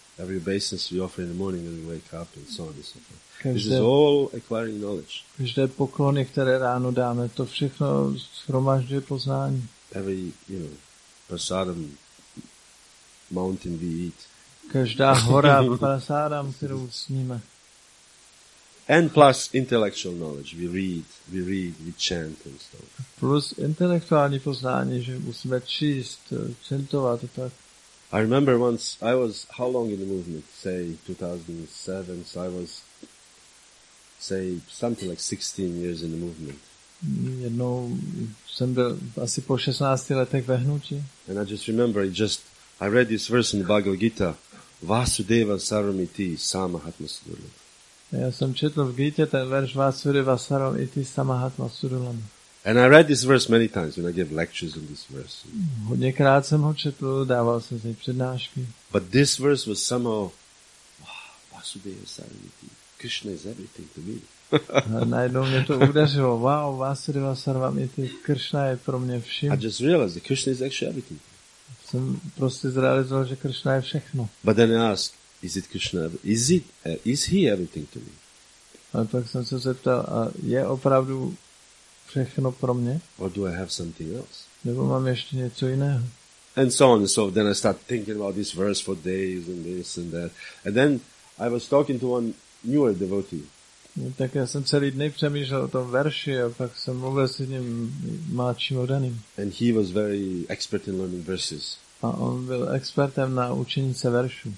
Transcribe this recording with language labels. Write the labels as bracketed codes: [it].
[en] Every obeisance we offer in the morning when we wake up and so on and so forth. This is all acquiring knowledge. [cs] Každé poklony, které ráno dáme, to všechno shromažuje poznání. [en] Every, you know, prasadam mountain we eat. [cs] Každá hora prasádám, kterou sníme. [en] And plus intellectual knowledge. We read, we chant and stuff. [cs] Plus intelektuální poznání, že musíme číst, chantovat a tak. [en] I remember once, I was, how long in the movement? Say 2007, so I was, say, something like 16 years in the movement. [cs] Jednou jsem byl asi po 16 letech ve hnutí. [en] And I just remember, I read this verse in the Bhagavad Gita. [sa] Vasudeva Saramiti Samahatma Sudulam. [cs] Já jsem četl v Gita ten verš [sa] Vasudeva Saramiti Samahatma Sudulam. [en] And I read this verse many times when I gave lectures on this verse. [cs] Hodněkrát jsem ho četl, dával jsem si přednášky. [en] But this verse was somehow, wow, Vasudeva Saramiti, Krishna is everything to me. [cs] Najednou mě to udeřilo, wow, Vasudeva Saramiti, Krishna je pro mě vším. [en] I just realized that Krishna is actually everything. [cs] Jsem prostě zrealizoval, že Krishna je všechno. [en] But then I ask, is it Krishna? Is he everything to me? [cs] A pak jsem se zeptal, a je opravdu všechno pro mě? [en] Or do I have something else? [cs] Nebo mám ještě něco jiného? [en] And so on. So then I start thinking about this verse for days and this and that. And then I was talking to one newer devotee. [cs] Tak já jsem celý dny přemýšlel o tom verši a pak jsem mluvil s ním mladším odaným. [en] And he was very expert in learning verses. [cs] A on byl expertem na učení se veršů.